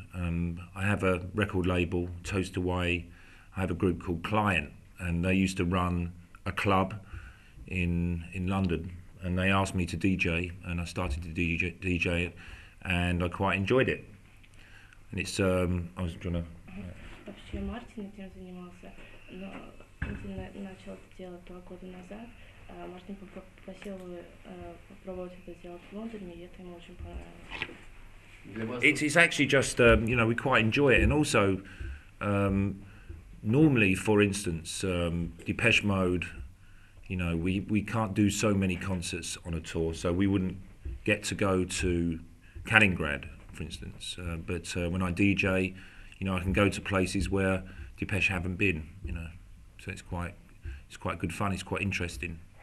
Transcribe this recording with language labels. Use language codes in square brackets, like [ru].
[en] I have a record label, Toast Away. I have a group called Client, and they used to run a club in London. And they asked me to DJ, and I started to DJ it, and I quite enjoyed it. And it's, I was trying to... [ru] Вообще, Мартин этим занимался, но он начал это делать 2 года назад. Мартин попросил попробовать это сделать в Лондоне, и это ему очень понравилось. [en] It's actually just, you know, we quite enjoy it. And also, normally, for instance, Depeche Mode, you know, we can't do so many concerts on a tour, so we wouldn't get to go to Kaliningrad, for instance, but when I DJ, you know, I can go to places where Depeche haven't been, you know, so it's quite good fun, it's quite interesting.